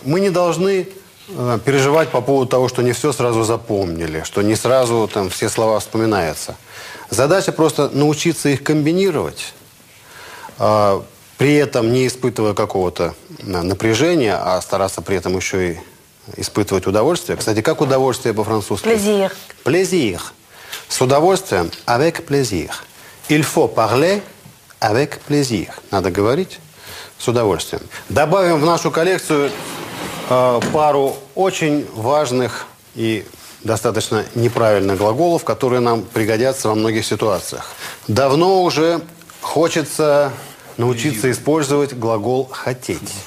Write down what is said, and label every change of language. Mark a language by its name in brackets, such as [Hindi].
[Russian] Мы не должны переживать по поводу того, что не все сразу запомнили, что не сразу там все слова вспоминаются. Задача просто научиться их комбинировать, при этом не испытывая какого-то напряжения, а стараться при этом еще и испытывать удовольствие. Кстати, как удовольствие по-французски? [French] Плезир. Плезир. [Russian] С удовольствием. [French] Avec plaisir. Il faut parler avec plaisir. [Russian] Надо говорить с удовольствием. Добавим в нашу коллекцию пару очень важных и достаточно неправильных глаголов, которые нам пригодятся во многих ситуациях. Давно уже хочется научиться использовать глагол «хотеть».